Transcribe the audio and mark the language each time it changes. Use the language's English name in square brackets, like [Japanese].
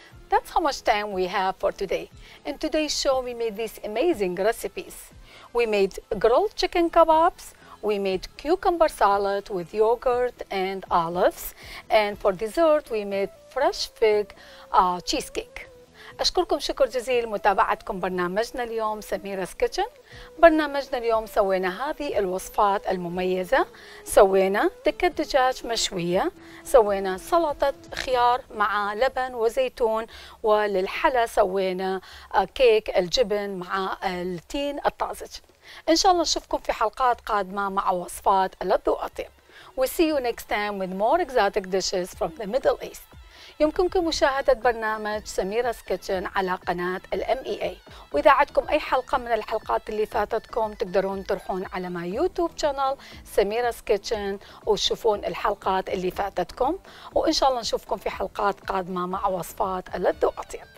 [English] That's how much time we have for today. In today's show, we made these amazing recipes. We made grilled chicken kebabs. We made cucumber salad with yogurt and olives. And for dessert, we made fresh fig cheesecake. [Arabic] أشكركم شكر جزيل متابعتكم برنامجنا اليوم سميرة's Kitchen. برنامجنا اليوم سوينا هذه الوصفات المميزة. سوينا تكة دجاج مشوية. سوينا سلطة خيار مع لبن وزيتون. وللحلى سوينا كيك الجبن مع التين الطازج. إن شاء الله نشوفكم في حلقات قادمة مع وصفات ألذ وأطيب. [English] We'll see you next time with more exotic dishes from the Middle East. [Arabic] يمكنكم مشاهدة برنامج سميرة's Kitchen على قناة MEA. وإذا عندكم أي حلقة من الحلقات اللي فاتتكم تقدرون تروحون على ما يوتيوب شانل سميرة's Kitchen وتشوفون الحلقات اللي فاتتكم. وإن شاء الله نشوفكم في حلقات قادمة مع وصفات ألذ وأطيب.